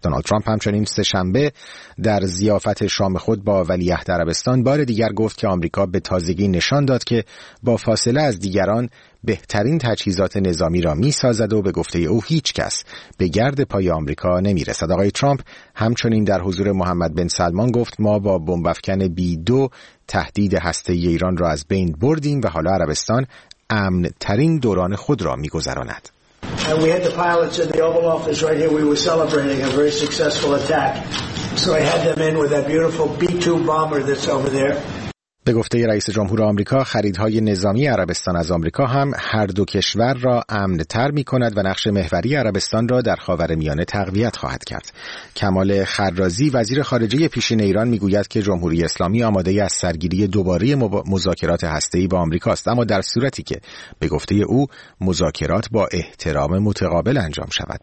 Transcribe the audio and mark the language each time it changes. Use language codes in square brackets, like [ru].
[fa] دونالد ترامپ همچنین سه شنبه در ضیافت شام خود با ولیعهد عربستان بار دیگر گفت که آمریکا به تازگی نشان داد که با فاصله از دیگران بهترین تجهیزات نظامی را می‌سازد و به گفته او هیچ کس به گرد پای آمریکا نمی‌رسد. آقای ترامپ همچنین در حضور محمد بن سلمان گفت ما با بمب‌افکن B2 تهدید هسته‌ای ایران را از بین بردیم و حالا عربستان امن‌ترین دوران خود را می‌گذراند. [en] And we had the pilots in the Oval Office right here. We were celebrating a very successful attack. So I had them in with that beautiful B-2 bomber that's over there. [fa] به گفته رئیس جمهور آمریکا، خریدهای نظامی عربستان از آمریکا هم هر دو کشور را امن‌تر می‌کند و نقش محوری عربستان را در خاورمیانه تقویت خواهد کرد. کمال خرازی، وزیر خارجه پیشین ایران، می‌گوید که جمهوری اسلامی آماده از سرگیری دوباره مذاکرات هسته‌ای با آمریکا است، اما در صورتی که به گفته او مذاکرات با احترام متقابل انجام شود.